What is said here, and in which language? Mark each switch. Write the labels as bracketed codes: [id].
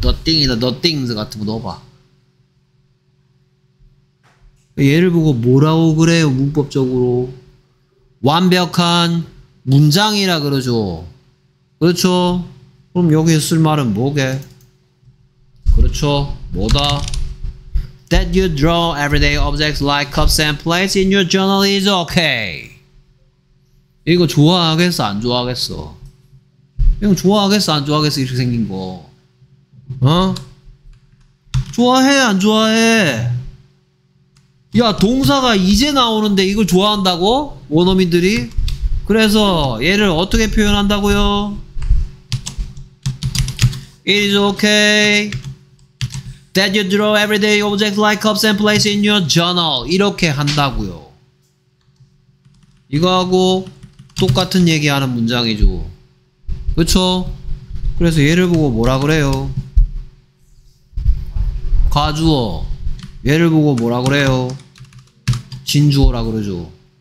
[en] The thing [ko] 이나 [en] the things [ko] 같은 거 넣어봐. 얘를 보고 뭐라고 그래요, 문법적으로? 완벽한 문장이라 그러죠. 그렇죠? 그럼 여기에 쓸 말은 뭐게? 그렇죠? 뭐다? [en] That you draw everyday objects like cups and plates in your journal is okay. [ko] 이거 좋아하겠어? 안 좋아하겠어? 이거 좋아하겠어? 안 좋아하겠어? 이렇게 생긴 거. 어? 좋아해? 안 좋아해? 야, 동사가 이제 나오는데 이걸 좋아한다고? 원어민들이? 그래서 얘를 어떻게 표현한다고요? [en] It is okay that you draw everyday objects like cups and plates in your journal. [ko] 이렇게 한다고요. 이거하고 똑같은 얘기하는 문장이죠. 그쵸? 그래서 얘를 보고 뭐라 그래요? 과주어. 얘를 보고 뭐라 그래요? 진주어라 그러죠.